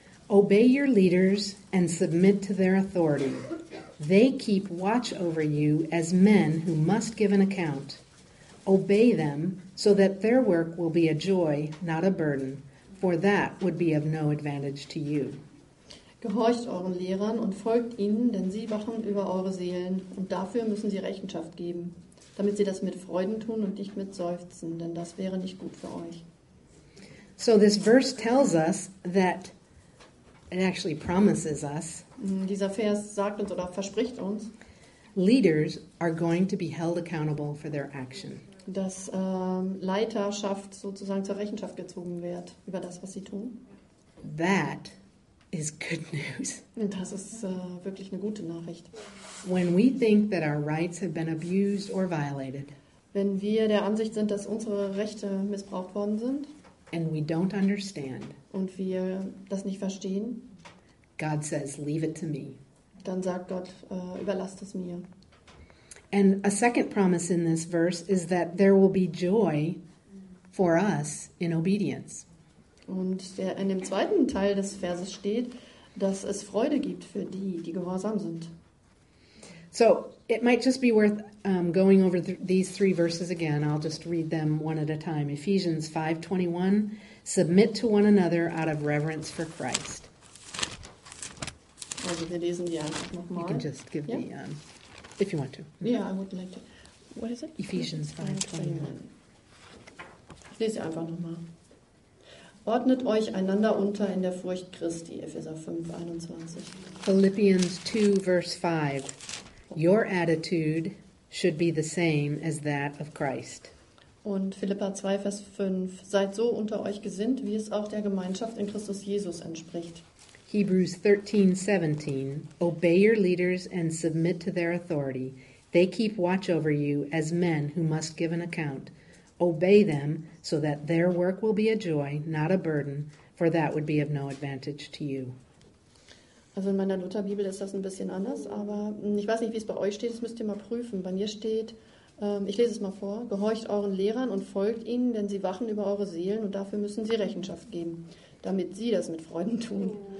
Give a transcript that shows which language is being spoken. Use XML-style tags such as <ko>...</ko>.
<en>Obey your leaders and submit to their authority. They keep watch over you as men who must give an account. Obey them so that their work will be a joy, not a burden, for that would be of no advantage to you.</en> <de>Gehorcht euren Lehrern und folgt ihnen, denn sie wachen über eure Seelen, und dafür müssen sie Rechenschaft geben, damit sie das mit Freuden tun und nicht mit Seufzen, denn das wäre nicht gut für euch.</de> <en>So this verse tells us that it actually promises us.</en> <de>Dieser Vers sagt uns oder verspricht uns,</de> <en>leaders are going to be held accountable for their action.</en> <de>Dass Leiterschaft sozusagen zur Rechenschaft gezogen wird über das, was sie tun.</de> <en>That is good news.</en> <de>Das ist wirklich eine gute Nachricht.</de> <en>When we think that our rights have been abused or violated,</en> <de>wenn wir der Ansicht sind, dass unsere Rechte missbraucht worden sind,</de> <en>and we don't understand,</en> <de>und wir das nicht verstehen,</de> <en>God says, leave it to me.</en> <de>Dann sagt Gott, überlasst es mir.</de> <en>And a second promise in this verse is that there will be joy for us in obedience.</en> <de>Und in dem zweiten Teil des Verses steht, dass es Freude gibt für die, die gehorsam sind.</de> <en>So, it might just be worth going over these three verses again. I'll just read them one at a time. Ephesians 5:21, submit to one another out of reverence for Christ.</en> <de>Also, wir lesen die einfach nochmal.</de> <en>You can just give me, if you want to. Yeah, I would like to. What is it? Ephesians</en> <de>5:21. Ich lese sie einfach nochmal. Ordnet euch einander unter in der Furcht Christi, Epheser 5:21.</de> <en>Philippians 2:5. Your attitude should be the same as that of Christ.</en> <de>Und Philippa 2:5. Seid so unter euch gesinnt, wie es auch der Gemeinschaft in Christus Jesus entspricht.</de> <en>Hebrews 13:17. Obey your leaders and submit to their authority. They keep watch over you as men who must give an account. Obey them so that their work will be a joy, not a burden, for that would be of no advantage to you.</en> <de>Also in meiner Lutherbibel ist das ein bisschen anders, aber ich weiß nicht, wie es bei euch steht, das müsst ihr mal prüfen. Bei mir steht, ich lese es mal vor, gehorcht euren Lehrern und folgt ihnen, denn sie wachen über eure Seelen und dafür müssen sie Rechenschaft geben, damit sie das mit Freuden tun.</de>